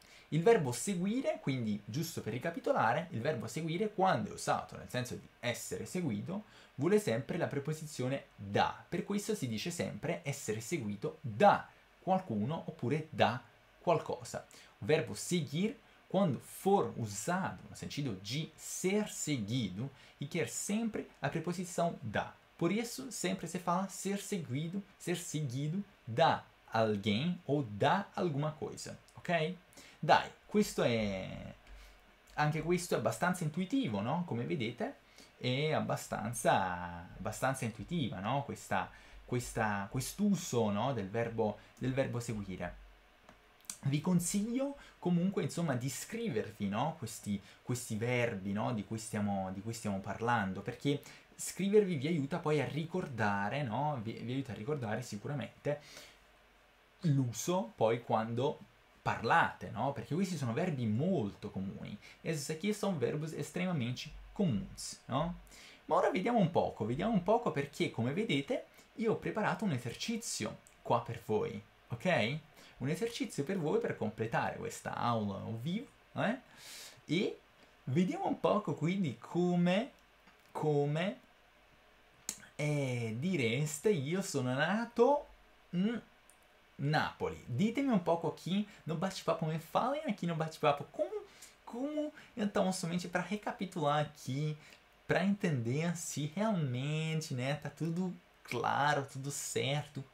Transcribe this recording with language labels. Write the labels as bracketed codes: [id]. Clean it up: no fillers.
[it] Il verbo seguire, quindi, giusto per ricapitolare, il verbo seguire, quando è usato nel senso di essere seguito, vuole sempre la preposizione da. Per questo si dice sempre essere seguito da qualcuno oppure da qualcosa. [pt] Verbo seguir. Quando for usado no sentido de ser seguido, requer sempre a preposição da. Por isso, sempre se fala ser seguido da alguém ou da alguma coisa, ok? [it] Dai, questo è. Anche questo è abbastanza intuitivo, no? Come vedete, è abbastanza intuitiva, no? Quest'uso, no? Del verbo seguire. Vi consiglio comunque, insomma, di scrivervi, no? Questi verbi, no? di cui stiamo parlando, perché scrivervi vi aiuta poi a ricordare, no? Vi aiuta a ricordare sicuramente l'uso poi quando parlate, no? Perché questi sono verbi molto comuni. Essi qui sono verbi estremamente comuns, no? Ma ora vediamo un poco perché, come vedete, io ho preparato un esercizio qua per voi, ok? Un esercizio per voi per completare questa [pt] aula au vivo, [it] eh? E vediamo un poco quindi come direste io sono nato in Napoli. Ditemi un poco qui [pt] no bate-papo, me falem aqui no bate-papo como então somente para recapitular aqui, para entender se realmente, né, tá tudo claro, tudo certo.